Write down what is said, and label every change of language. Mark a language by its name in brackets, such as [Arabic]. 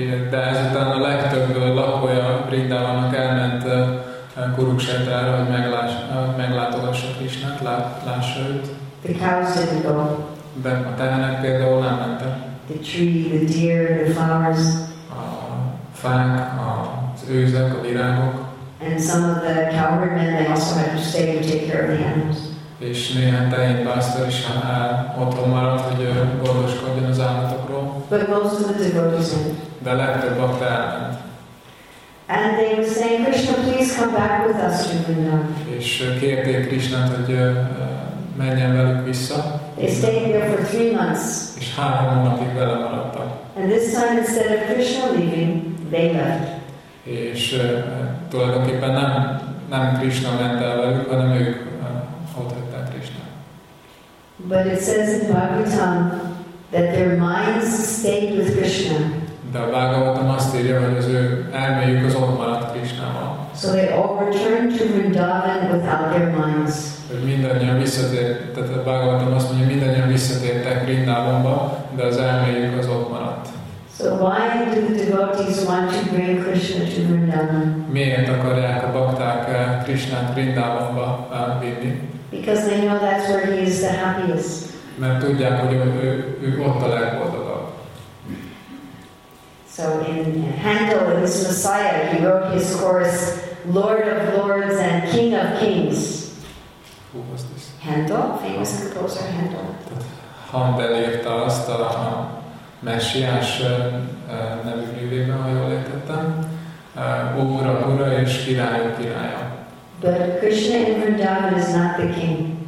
[Hungarian] De ezután a legtöbb lakója Vrindavannak elment Kurukshetrára, hogy meglátogassa Krishnát, lássa őt. [English] The cows didn't go. [Hungarian] De a tehenek például nem mentek. [English] The tree, the deer, the flowers. [Hungarian] A fák, az őzek, a virágok. [English] And some of the cowherd men, they also had to stay and take care of the animals. [Hungarian] És néhány tehén pásztor is otthon maradt, hogy gondoskodjon az állatokról. [English] But most of the devotees. [Hungarian] De legtöbb bakta elment. [English] And they were saying, Krishna, please come back with us to Vrindavan. [Hungarian] És kérték Krishnát, hogy menjen velük vissza. [English] They stayed there for 3 months. [Hungarian] És 3 hónapig vele maradtak. [English] And this time, instead of Krishna leaving, they left. [Hungarian] És tulajdonképpen nem Krishna ment el velük, hanem ők ott hagyták Krishna. [English] But it says in Bhagavatam that their minds stayed with Krishna. [Hungarian] De a Bhagavatam azt írja, hogy az ő elméjük az ott maradt Krishnával. [English] So they all returned to Vrindavan without their minds. [Hungarian] Hogy mindannyian visszatértek, tehát a Bhagavatam azt mondja, mindannyian visszatértek Vrindavanba, de az elméjük az ott maradt. [English] So why do the devotees want to bring Krishna to Vrindavan? [Hungarian] Miért akarják a bakták Krishnát Vrindavanba vinni? [English] Because they know that's where he is the happiest. [Hungarian] Mert tudják, hogy ő ott a legboldogabb. [English] So in Handel, in this Messiah, he wrote his chorus, Lord of Lords and King of Kings. Who was this? Handel, famous composer Handel. [Hungarian] Handel írta azt a messiás nevű művében, ha jól értettem. Ura, ura és királya, királya. [English] But Krishna in Vrindavan is not the king.